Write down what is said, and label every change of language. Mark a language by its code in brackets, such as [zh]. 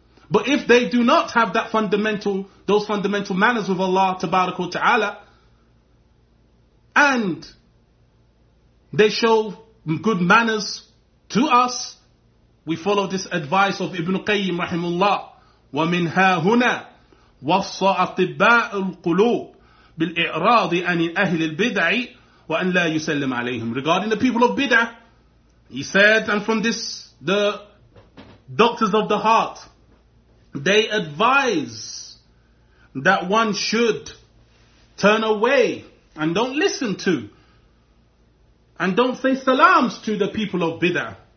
[en] But if they do not have that fundamental, those fundamental manners with Allah tabaraka wa ta'ala, and they show good manners to us, we follow this advice of Ibn Qayyim rahimullah. [ar] ومن ها هنا وصى أطباء القلوب بالإعراض عن أهل البدع وأن لا يسلم عليهم. [en] Regarding the people of bid'ah, he said, and from this, the doctors of the heart, they advise that one should turn away and don't listen to and don't say salams to the people of bid'ah.